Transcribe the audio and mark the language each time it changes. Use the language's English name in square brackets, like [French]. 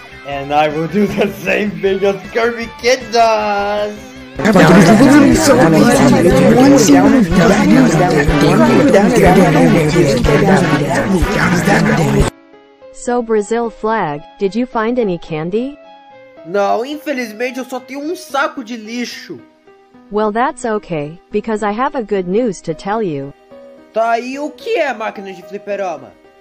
[English] And I will do the same thing as Kirby Kid does! So, Brazil Flag, did you find any candy? [Portuguese] Não, infelizmente eu só tenho saco de lixo. [English] Well, that's okay, because I have a good news to tell you. [Portuguese] Tá, e o que é a máquina de fliperama?